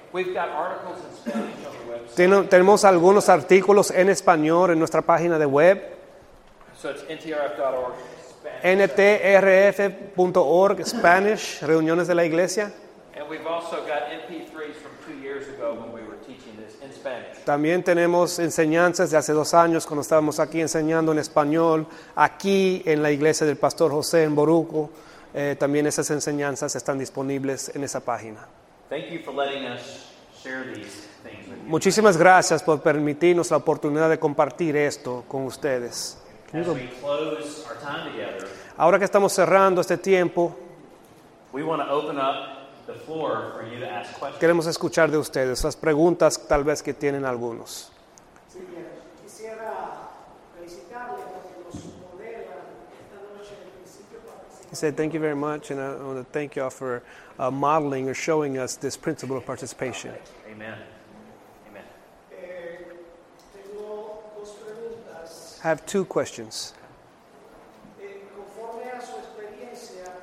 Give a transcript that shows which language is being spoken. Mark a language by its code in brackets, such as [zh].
[en] We've got articles in Spanish on the website. [es] Tenemos algunos artículos en español en nuestra página de web. [en] So it's ntrf.org. [es] ntrf.org, Spanish, reuniones de la iglesia. [en] And we've also got MP3s from 2 years ago when we were teaching this in Spanish. [es] También tenemos enseñanzas de hace 2 años cuando estábamos aquí enseñando en español aquí en la iglesia del Pastor José en Boruco. También esas enseñanzas están disponibles en esa página. [en] Thank you for letting us share these things with you. [es] Muchísimas gracias por permitirnos la oportunidad de compartir esto con ustedes. [en] As we close our time together, [es] ahora que estamos cerrando este tiempo, [en] we want to open up the floor for you to ask questions. [es] Queremos escuchar de ustedes las preguntas tal vez que tienen algunos. Sí, bien. Quisiera felicitarle porque los modelos esta noche en principio. [en] He said, thank you very much, and I want to thank you all for modeling or showing us this principle of participation. Amen. [es] Tengo dos preguntas. [en] I have 2 questions. [es] Conforme a su experiencia,